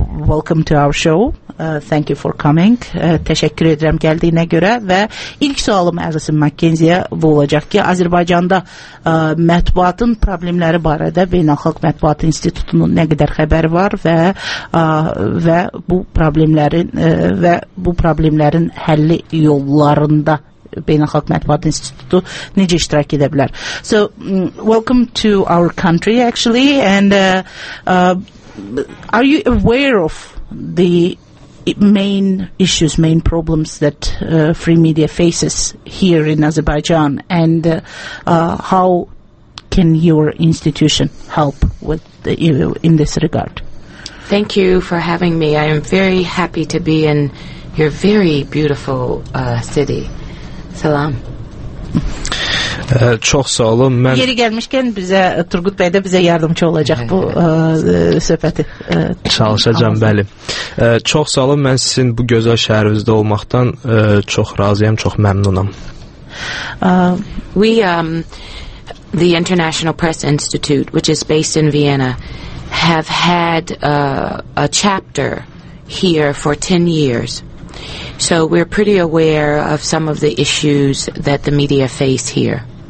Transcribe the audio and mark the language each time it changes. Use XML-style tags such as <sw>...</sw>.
<en>Welcome to our show. Thank you for coming.</en> <az>Təşəkkür edirəm gəldiyinə görə və ilk sualım Alison McKenzie-yə bu olacaq ki, Azərbaycanda mətbuatın problemləri barədə Beynəlxalq Mətbuat İnstitutunun nə qədər xəbəri var və bu problemlərin və bu problemlərin həlli yollarında Beynəlxalq Mətbuat İnstitutu necə iştirak edə bilər?</az> <en>So, welcome to our country, actually, and are you aware of the main issues, main problems that free media faces here in Azerbaijan, and how can your institution help with in this regard? Thank you for having me. I am very happy to be in your very beautiful city.</en> <az>Salam. Çox sağ olun. Mən yeri gəlmişkən bizə Turqut bəy də bizə yardımçı olacaq bu söhbəti. Çalışacağam, bəli. Çox sağ olun. Mən sizin bu gözəl şəhərinizdə olmaqdan çox razıyam, çox məmnunam.</az> <en>The International Press Institute, which is based in Vienna, have had a chapter here for 10 years. So we're pretty aware of some of the issues that the media face here.</en>